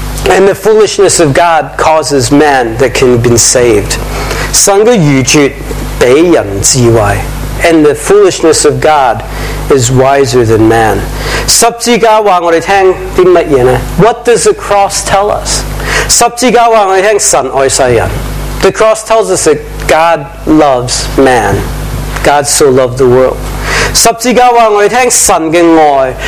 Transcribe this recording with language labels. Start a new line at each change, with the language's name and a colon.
English: And the foolishness of God causes man that can be saved.
Chinese: 神的愚拙给人智慧。
English: And the foolishness of God is wiser than man.
Chinese: 十字架告诉我们什么呢?
English: What does the cross tell us?
Chinese: 十字架告诉我们神爱世人。
English: The cross tells us that God loves man. God so loved the world.
Chinese: 十字架告诉我们神的爱。